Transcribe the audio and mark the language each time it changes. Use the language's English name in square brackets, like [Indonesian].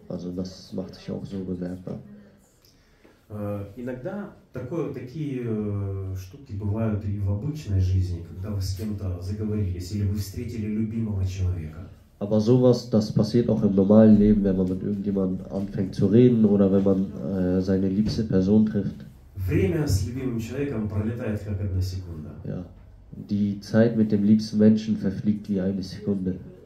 [German] Also das macht sich auch so bemerkbar. [Russian] Иногда такие штуки бывают и в обычной жизни, когда вы с кем-то заговорились или вы встретили любимого человека. [German] Aber sowas, das passiert auch im normalen Leben, wenn man mit irgendjemandem anfängt zu reden oder wenn man seine liebste Person trifft. Ja, die Zeit mit dem liebsten Menschen verfliegt wie eine Sekunde.